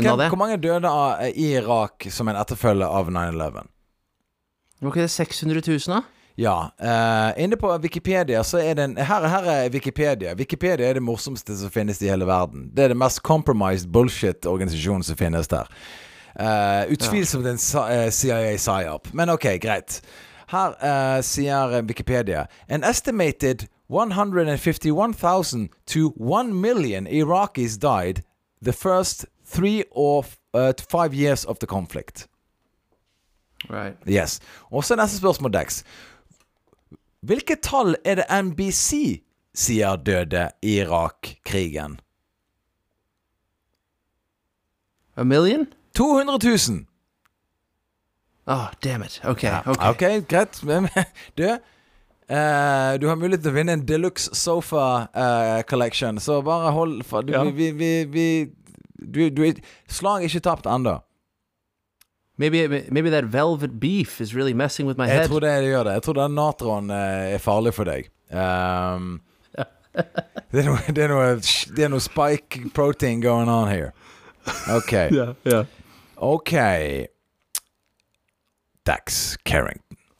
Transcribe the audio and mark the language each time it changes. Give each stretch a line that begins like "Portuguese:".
Norwegian: Hvor mange døde i Irak som en etterfølge av 9/11? Ok, det er 600,000 da? Ja, inne på Wikipedia så er det en, her er Wikipedia. Wikipedia er det morsomste som finnes i hele verden. Det er det mest compromised bullshit organisasjonen som finnes der. Utvilsomt en CIA-psyop. Men ok, greit. Her sier Wikipedia:
English: an estimated 151,000 to 1 million Iraqis died the first 3 or 5 years of the conflict. Right. Yes.
Norwegian: Og så neste spørsmål, Dex. Hvilket tall er det NBC sier døde i Irak-krigen? 1 million? 200,000.
English: Ah, oh, damn it. Okay, okay.
Norwegian: Okay, greit. Du har mulighet til å vinne en deluxe sofa collection. Så bare hold for, du, ja. Slag ikke tapt enda.
English: Maybe that velvet beef is really messing with my
Norwegian: head. Jeg tror det gjør det. Jeg tror den natron er farlig for deg. det er noe
English: spike protein going on here. Okay. Yeah. Okay. Dax Carrington.